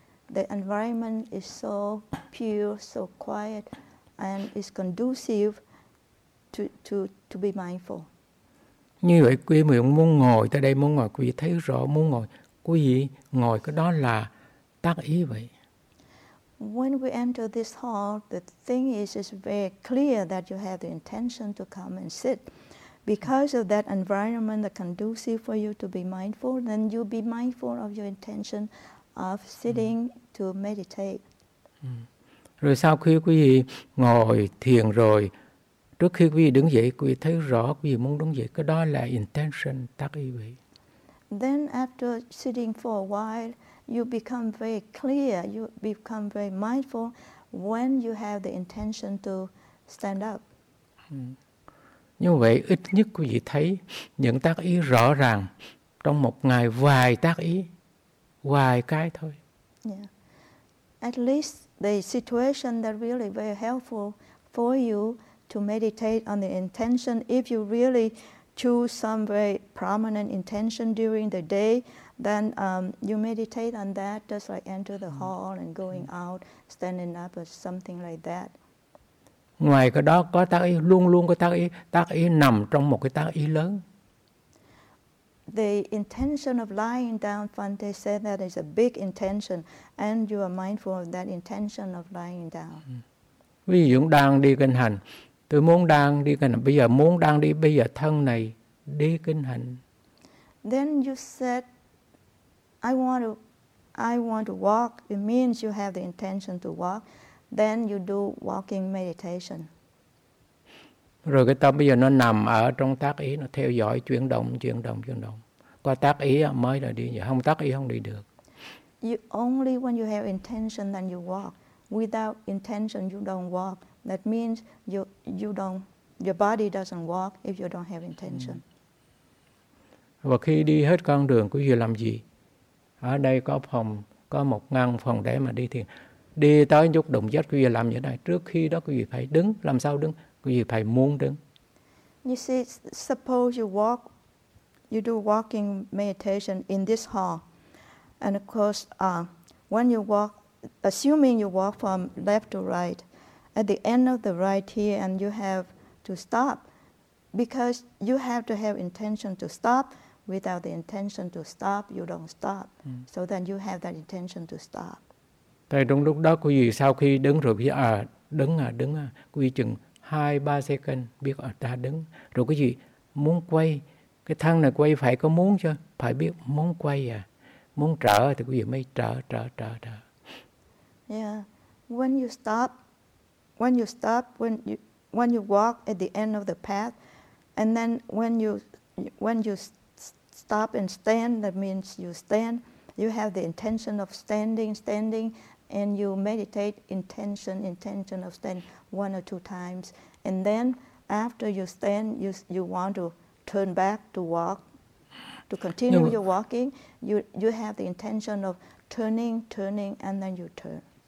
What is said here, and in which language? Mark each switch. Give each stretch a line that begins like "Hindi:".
English: The environment is so pure, so quiet, and is conducive to be mindful.
Vietnamese: Như vậy, quý vị muốn ngồi tới đây, muốn ngồi, quý vị thấy rõ, muốn ngồi. Quý vị ngồi cái đó là tác ý vậy.
English: When we enter this hall, the thing is, it's very clear that you have the intention to come and sit. Because of that environment that conducive for you to be mindful, then you'll be mindful of your intention of sitting to meditate.
Vietnamese: Rồi sau khi quý vị ngồi thiền rồi, trước khi quý vị đứng dậy, quý vị thấy rõ quý vị muốn đứng dậy, cái đó là intention, tác ý vậy.
English: Then after sitting for a while, you become very clear, you become very mindful when you have the intention to stand up.
Vietnamese: Như vậy, ít nhất quý vị thấy những tác ý rõ ràng trong một ngày vài tác ý, vài cái thôi.
English: Yeah. At least the situation that really very helpful for you to meditate on the intention, if you really choose some very prominent intention during the day, then you meditate on that, just like enter the hall and going out, standing up or something like that.
Vietnamese: Ngoài cái đó có tác ý, luôn luôn có tác ý nằm trong một cái tác ý lớn.
English: the intention of lying down, Bhante said, that is a big intention, and you are mindful of that intention of lying down.
Vietnamese: Ví dụ đang đi kinh hành, tôi muốn đang đi kinh hành. Bây giờ muốn đang đi bây giờ thân này đi kinh hành.
English: Then you said, I want to walk. It means you have the intention to walk. Then you do walking meditation.
Vietnamese: Rồi cái tâm bây giờ nó nằm ở trong tác ý, nó theo dõi chuyển động. Qua tác ý mới là đi, không tác ý không đi được.
English: You only when you have intention then you walk. Without intention you don't walk. That means your body doesn't walk if you don't have intention.
Vietnamese: Và khi đi hết con đường quý vị làm gì? Ở đây có phòng, có một ngăn phòng để mà đi thiền. Đi tới nhúc đụng vết quý vị làm như thế này. Trước khi đó quý vị phải đứng, làm sao đứng? Quý vị phải muốn đứng.
English: You see, suppose you walk, you do walking meditation in this hall. And of course, when you walk, assuming you walk from left to right, at the end of the right here, and you have to stop, because you have to have intention to stop. Without the intention to stop, you don't stop. So then you have that intention to stop.
Vietnamese: Tại trong lúc đó, quý vị sau khi đứng rồi biết à, đứng à, đứng à, quý vị chừng 2-3 second biết ở ta đứng. Rồi quý vị muốn quay, cái thân này quay phải có muốn chứ, phải biết muốn quay à. Muốn trở thì quý vị mới trở.
English: Yeah, when you walk at the end of the path, and then when you stop and stand, that means you stand, you have the intention of standing, and you meditate intention of standing one or two times, and then after you stand, you want to turn back to walk, to continue your walking, you have the intention of turning, and then you turn.